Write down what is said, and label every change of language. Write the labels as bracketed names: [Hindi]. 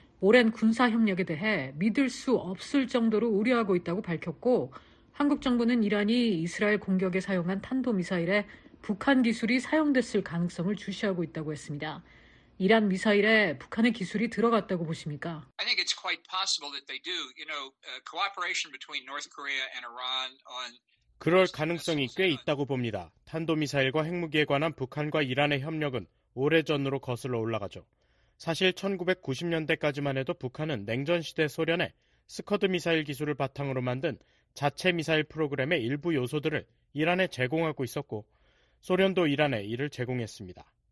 [Korean] 오랜 군사 협력에 대해 믿을 수 없을 정도로 우려하고 있다고 밝혔고, 한국 정부는 이란이 이스라엘 공격에 사용한 탄도미사일에 북한 기술이 사용됐을 가능성을 주시하고 있다고 했습니다. 이란 미사일에 북한의 기술이 들어갔다고 보십니까? [English] I think it's quite possible that they do. You know, cooperation between North Korea and Iran on [Korean] 그럴 가능성이 꽤 있다고 봅니다. 탄도미사일과 핵무기에 관한 북한과 이란의 협력은 오래전으로 거슬러 올라가죠. 사실 1990년대까지만 해도 북한은 냉전시대 소련의 스커드 미사일 기술을 바탕으로 만든 자체 미사일 프로그램의 일부 요소들을 이란에 제공하고 있었고, 소련도 이란에 이를 제공했습니다.